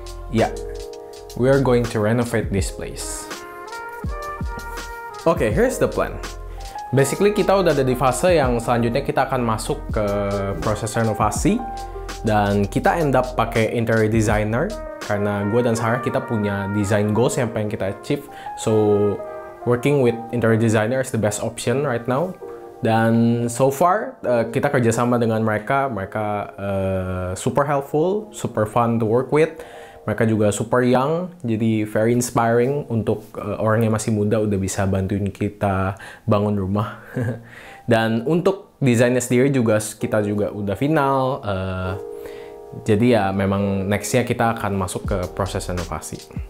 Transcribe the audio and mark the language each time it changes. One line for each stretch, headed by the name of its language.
English: Ya, we are going to renovate this place. Okay, here's the plan.
Indonesian: Basically, kita udah ada di fase yang selanjutnya kita akan masuk ke proses renovasi. Dan kita end up pakai interior designer. Karena gue dan Sarah kita punya design goals yang pengen kita achieve.
English: So working with interior designer is the best option right now.
Indonesian: Dan so far, kita kerjasama dengan mereka. Mereka super helpful,
English: super fun to work with.
Indonesian: Mereka juga super young, jadi
English: very inspiring
Indonesian: untuk orang yang masih muda udah bisa bantuin kita bangun rumah. Dan untuk desainnya sendiri juga, kita juga udah final. Jadi ya, memang next-nya kita akan masuk ke proses renovasi.